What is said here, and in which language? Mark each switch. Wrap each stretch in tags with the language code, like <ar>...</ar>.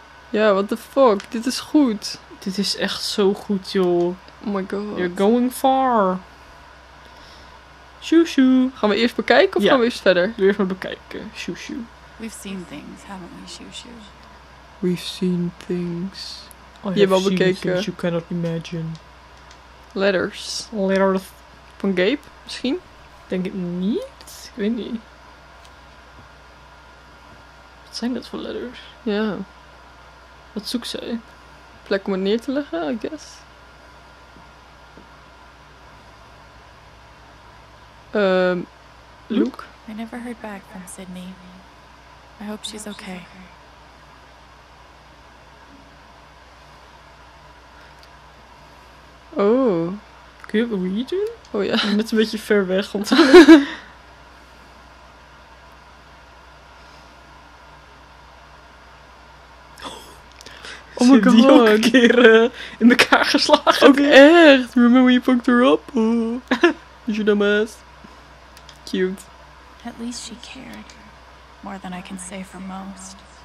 <nl>Ja,</nl> <en>what the fuck?</en> <nl>Dit is goed. Dit is echt zo goed, joh.</nl> <en>Oh my god. You're going far. Shoo shoo.</en> <nl>Gaan we eerst bekijken of ja. Gaan we eerst verder? Ja, eerst maar bekijken. Shoo shoo.</nl> <en>We've seen things, haven't we, shoo shoo? We've seen things...</en> <nl>Oh, je hebt al bekeken.</nl> <en>You cannot imagine. Letters. Letters.</en> <nl>Van Gabe, misschien? Denk ik niet. Ik weet niet. Wat zijn dat voor letters? Ja. Wat zoekt zij? Plek om het neer te leggen,</nl> <en>I guess.</en> <nl>Luke?</nl> <en>I never heard back from Sydney. I hope she's okay. Oh.</en> <nl>Kun je wat doen? Oh ja. Met een beetje ver weg. Want...</nl> <en>oh my god.</en> <nl>Die ook een keer in elkaar geslagen. Ook echt.</nl> <en>Remember when you fucked her up? Is your dumb ass. Cute. At least she cared. More than I can say for most.</en>